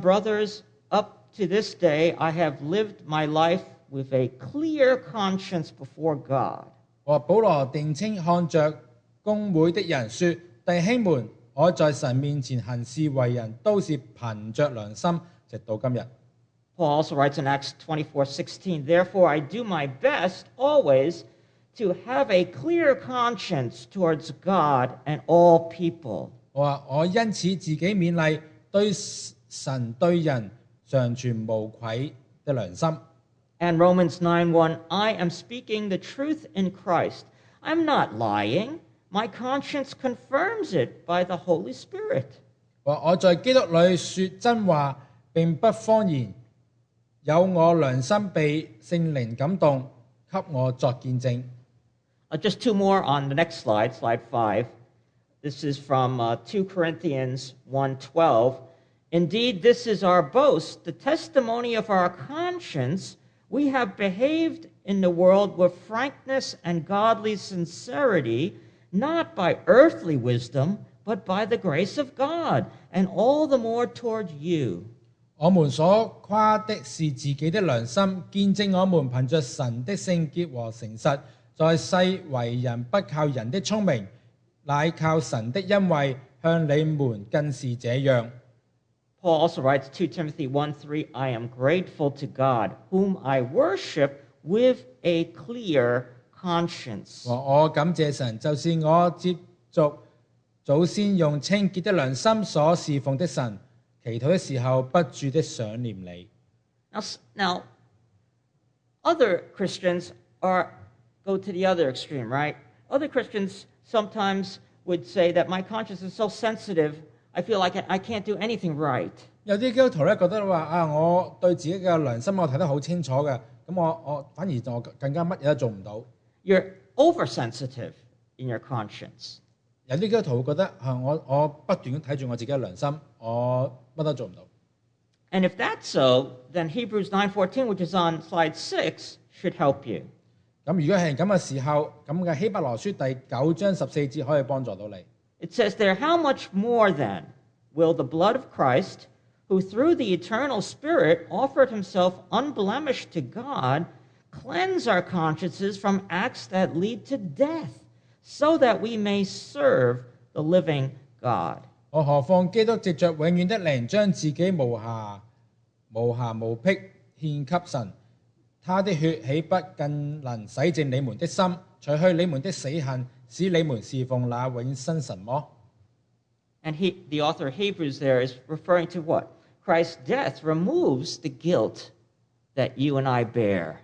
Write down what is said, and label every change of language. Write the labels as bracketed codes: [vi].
[en] brothers, up to this day, I have lived my life with a clear conscience before God. [zh] 保罗定睛看着公会的人说，弟兄们，我在神面前行事为人都是凭着良心，直到今日。 [en] Paul also writes in Acts 24:16, therefore I do my best always to have a clear conscience towards God and all people. [zh] 我因此自己勉励，对神对人常存无愧的良心。 [en] And Romans 9:1, I am speaking the truth in Christ. I'm not lying. My conscience confirms it by the Holy Spirit. [zh] 我在基督里说真话，并不谎言。有我良心被圣灵感动，给我作见证。 [en] Just two more on the next slide, slide 5. This is from 2 Corinthians 1:12. Indeed, this is our boast, the testimony of our conscience. We have behaved in the world with frankness and godly sincerity, not by earthly wisdom, but by the grace of God, and all the more toward you. [zh] 我们所夸的是自己的良心，见证我们凭着神的圣洁和诚实，在世为人不靠人的聪明，乃靠神的恩惠，向你们更是这样。 [en] Paul also writes 2 Timothy 1:3, I am grateful to God, whom I worship with a clear conscience. [zh] 我感谢神，就是我接续祖先用清洁的良心所侍奉的神。祈祷的时候不住的想念你。 [en] Now, other Christians go to the other extreme, right? Other Christians sometimes would say that my conscience is so sensitive, I feel like I can't do anything right. [zh] 有些基督徒觉得说，我对自己的良心我看得很清楚的，那我反而我更加什么都做不到。 [en] You're oversensitive in your conscience. [zh] 有些基督徒会觉得，我不断看着我自己的良心，我什么都做不到。 [en] And if that's so, then Hebrews 9:14, which is on slide 6, should help you. [zh] 如果是这样的时候，希伯来书第9章14节可以帮助到你。 [en] It says there, how much more then will the blood of Christ, who through the eternal Spirit offered himself unblemished to God, cleanse our consciences from acts that lead to death, so that we may serve the living God. [zh] 何况基督藉着永远的灵将自己无瑕无瑕无癖献给神， 他的血岂不更能洗净你们的心， 除去你们的死恨， 使你们侍奉那永生神么？ [en] And he, the author of Hebrews there is referring to what? Christ's death removes the guilt that you and I bear.